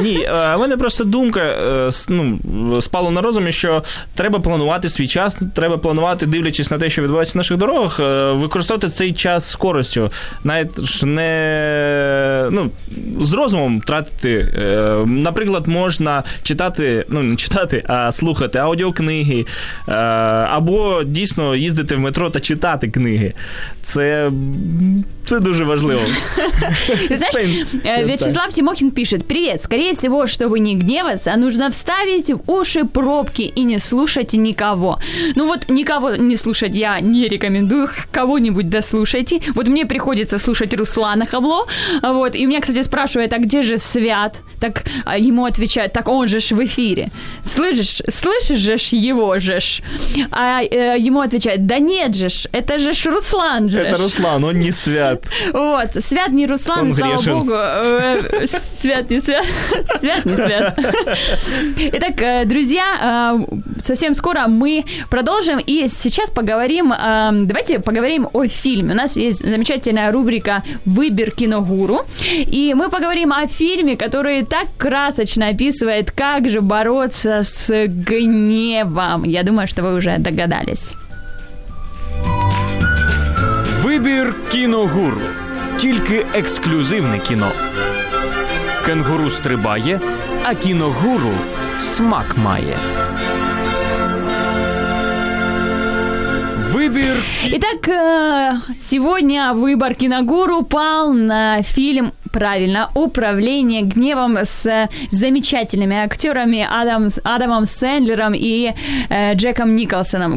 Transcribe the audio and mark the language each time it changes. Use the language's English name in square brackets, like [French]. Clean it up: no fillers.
[Ukrainian] Ні, у мене просто думка, ну, спало на розумі, що треба планувати свій час, треба планувати, дивлячись на те, що відбувається на наших дорогах, використовувати цей час з користю. Навіть ж не, ну, з розумом тратити. Наприклад, можна читати, ну, не читати, а слухати аудіокниги, або дійсно їздити в метро та читати книги. Це дуже важливо. [Russian] Знаешь, Вячеслав Тимохин пишет: «Привет, скорее всего, чтобы не гневаться, нужно вставить в уши пробки и не слушать никого». Ну вот, никого не слушать я не рекомендую, кого-нибудь дослушайте. Вот мне приходится слушать Руслана Хабло, вот, и у меня, кстати, спрашивают, а где же Свят? Так ему отвечают, так он же ж в эфире. Слышишь же ж его же ж? А ему отвечают, да нет же ж, это же ж Руслан же. Это Руслан, он не Свят. Вот, Свят не Руслан, он слава грешен. Богу. Свят не Свят. Свят не Свят. Итак, друзья, совсем скоро мы продолжим. И сейчас поговорим, давайте поговорим о фильме. У нас есть замечательная рубрика «Выбер киногуру». И мы поговорим о фильме, который так красочно описывает, как же бороться с гневом. Я думаю, что вы уже догадались. [Ukrainian] Вибір кіногуру. Тільки ексклюзивне кіно. Кенгуру стрибає, а кіногуру смак має. [Russian] Выбор. Итак, сегодня выбор киногуру пал на фильм, правильно, «Управление гневом» с замечательными актерами Адамом Сэндлером и Джеком Николсоном.